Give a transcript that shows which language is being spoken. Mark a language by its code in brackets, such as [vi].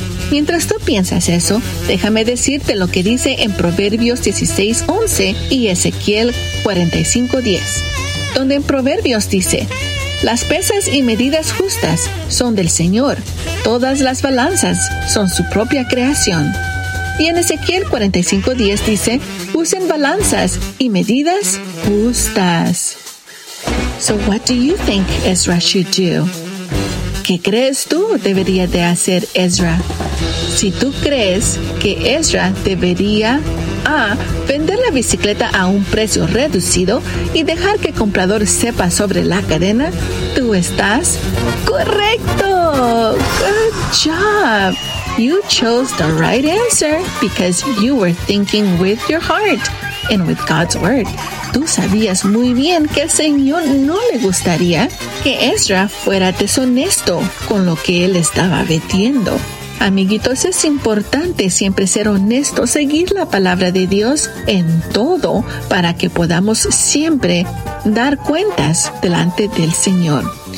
[es] Mientras tú piensas eso, déjame decirte lo que dice en Proverbios 16:11 y Ezequiel 45:10, donde en Proverbios dice: las pesas y medidas justas son del Señor, todas las balanzas son su propia creación. Y en Ezequiel 45:10 dice: usen balanzas y medidas justas. [en] So what do you think Ezra should do? [es] ¿Qué crees tú debería de hacer Ezra? Si tú crees que Ezra debería A. vender la bicicleta a un precio reducido y dejar que el comprador sepa sobre la cadena, tú estás correcto. [en] Good job. You chose the right answer because you were thinking with your heart and with God's word. [es] Tú sabías muy bien que el Señor no le gustaría que Ezra fuera deshonesto con lo que él estaba vendiendo. Amiguitos, es importante siempre ser honesto, seguir la palabra de Dios en todo para que podamos siempre dar cuentas delante del Señor.